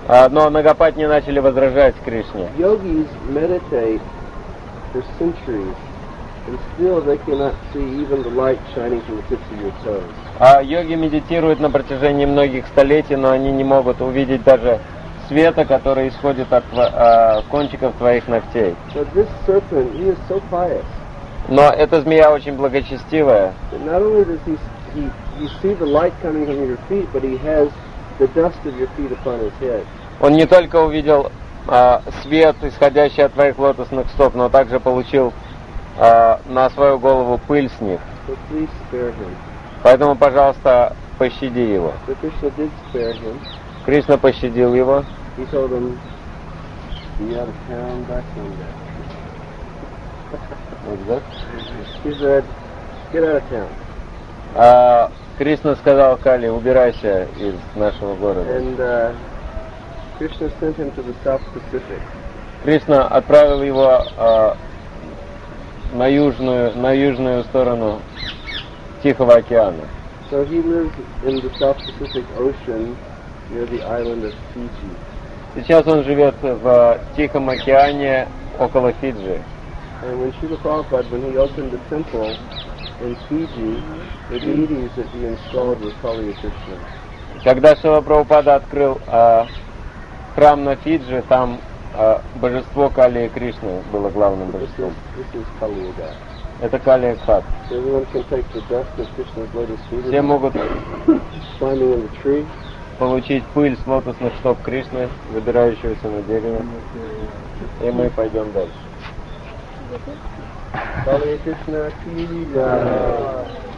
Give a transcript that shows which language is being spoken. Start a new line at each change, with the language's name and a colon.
Russian: Но Нагапатни начали возражать Кришне.
English: Yogis meditate for centuries, and still they cannot see even the light shining from the tips of your toes.
Russian: Йоги медитируют на протяжении многих столетий, но они не могут увидеть даже света, который исходит от кончиков твоих ногтей.
English: But this serpent, he is so pious.
Russian: Но эта змея очень благочестивая.
English: Not only does he see the light coming from your feet, but he has the dust of your feet upon his head.
Russian: Он не только увидел свет, исходящий от твоих лотосных стоп, но также получил на свою голову пыль с них.
English: So please spare him.
Russian: Поэтому, пожалуйста, пощади его.
English: So Krishna did spare him.
Russian: Кришна пощадил его.
English: He told him, you have a town back in there. What's that? He said, get out of town.
Russian: Кришна сказал Кали, убирайся из нашего города.
English: And Krishna sent him to the South Pacific.
Russian: Кришна отправил его на южную сторону Тихого океана.
English: So he lives in the South Pacific Ocean. Near the island of Fiji.
Russian: Сейчас он живет в Тихом океане около Фиджи.
English: And when Srila Prabhupada, when he opened the temple in Fiji, the deities that he installed were Kaliya Krishna.
Russian: Когда Шрила Прабхупада открыл храм на Фиджи, там божество Калия Кришны было главным божеством.
English: This is Kaliya.
Russian: Это Калия Кат.
English: Everyone can take the dust of Krishna's lotus feet.
Russian: Все могут
English: climbing in the tree.
Russian: Получить пыль с лотосных стоп Кришны, выбирающегося на дерево. И мы пойдем дальше. Калия Кришна Кия.